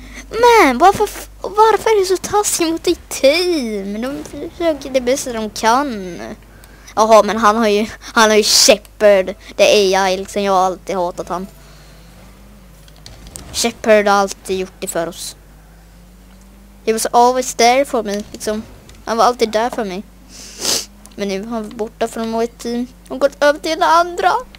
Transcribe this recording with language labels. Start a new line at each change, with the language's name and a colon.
Swedish: Man, varför är det så taskigt mot ditt team? De försöker det bästa de kan. Jaha, men han har ju Shepard. Det är jag liksom. Jag har alltid hatat han. Shepard har alltid gjort det för oss.
English: He was always there for me, liksom.
Swedish: Han var alltid där för mig. Men nu har vi borta från vårt team och gått över till det andra.